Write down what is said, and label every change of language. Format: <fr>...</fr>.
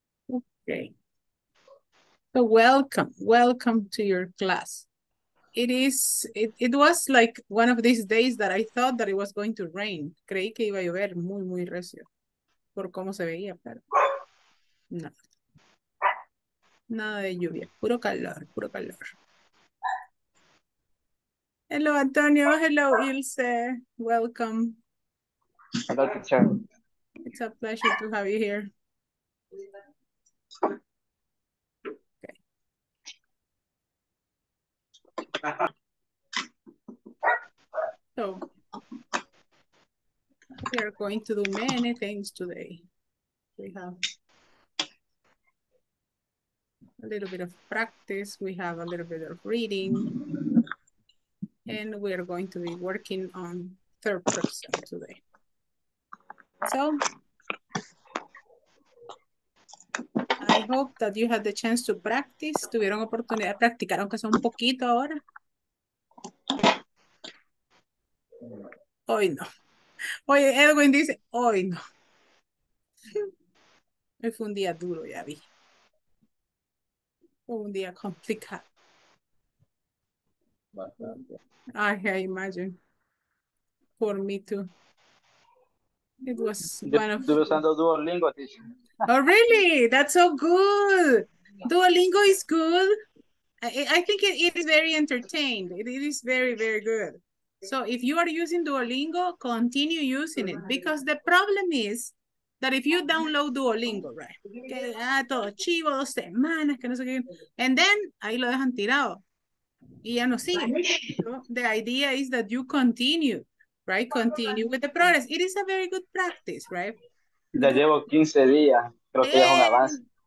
<en>Okay. So welcome, welcome to your class. It was like one of these days that I thought that it was going to rain.</en> <es>Creí que iba a llover muy, muy recio por cómo se veía, pero no. Nada de lluvia, puro calor, puro calor.</es> <en>Hello, Antonio. Hello, Ilse. Welcome. Hello, teacher. It's a pleasure to have you here. So, we are going to do many things today. We have a little bit of practice, we have a little bit of reading, and we are going to be working on third person today. So, I hope that you had the chance to practice.</en> <es>Tuvieron oportunidad de practicar, aunque sea un poquito ahora. Hoy no. Oye, Edwin dice, hoy no. Hoy fue un día duro, ya vi. Fue un día complicado. Bastante.</es> <en>I imagine. For me too. It was one of...</en> <es>Estuve usando Duolingo,</es> <en>teacher. Oh, really? That's so good. Duolingo is good. I think it is very entertained. It is very, very good. So if you are using Duolingo, continue using it. Because the problem is that if you download Duolingo, right?</en> <es>Que, ah, todo chivo, dos semanas, que no sé qué.</es> <en>And then,</en> <es>ahí lo dejan tirado. Y ya no sigue.</es> <en>So the idea is that you continue, right? Continue with the progress. It is a very good practice, right?</en> <es>Ya llevo 15 días, creo que es un avance.</es>